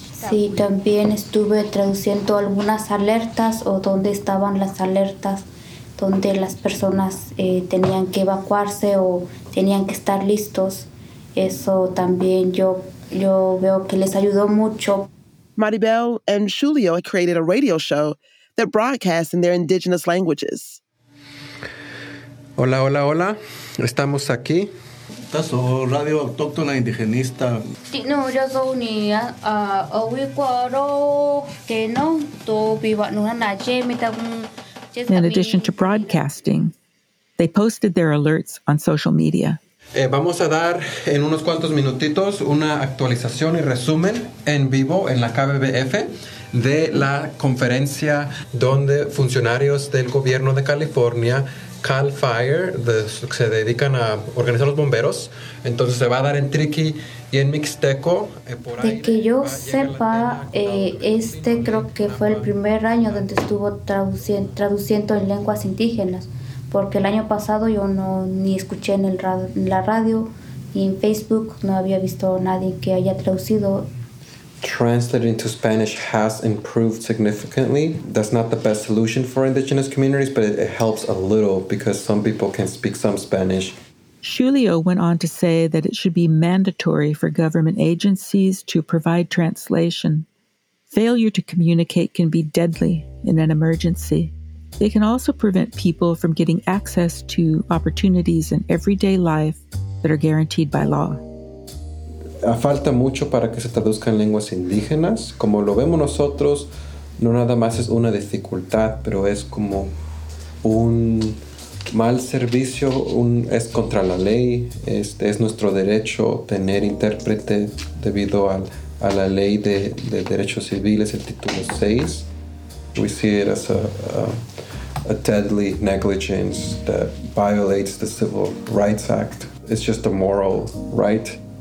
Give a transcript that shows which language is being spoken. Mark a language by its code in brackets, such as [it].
[es] Sí, también estuve traduciendo algunas alertas o dónde estaban las alertas, donde las personas tenían que evacuarse o tenían que estar listos. Eso también yo veo que les ayudó mucho. [en] Maribel and Julio created a radio show that broadcasts in their indigenous languages. [es] Hola, hola, hola. Estamos aquí. Taso radio autóctona indigenista. No, yo soy ni a Wicuaro que no to viva no na chemita. [en] In addition to broadcasting, they posted their alerts on social media. [es] Vamos a dar en unos cuantos minutitos una actualización y resumen en vivo en la KBBF de la conferencia donde funcionarios del gobierno de California, Cal Fire, se dedican a organizar los bomberos. Entonces se va a dar en Triqui y en Mixteco. Por ahí de que yo sepa, este creo que fue el primer año donde estuvo traduciendo en lenguas indígenas. Porque el año pasado yo no ni escuché en el la radio ni en Facebook, no había visto a nadie que haya traducido. [en] Translated into Spanish has improved significantly. That's not the best solution for indigenous communities, but it helps a little because some people can speak some Spanish. Julio went on to say that it should be mandatory for government agencies to provide translation. Failure to communicate can be deadly in an emergency. They can also prevent people from getting access to opportunities in everyday life that are guaranteed by law. [es] Falta mucho para que se traduzcan lenguas indígenas. Como lo vemos nosotros, no nada más es una dificultad, pero es como un mal servicio, es contra la ley, es nuestro derecho tener intérprete debido a la ley de derechos civiles, el título 6. [en] We see it as a deadly negligence that violates the Civil Rights Act. It's just a moral right.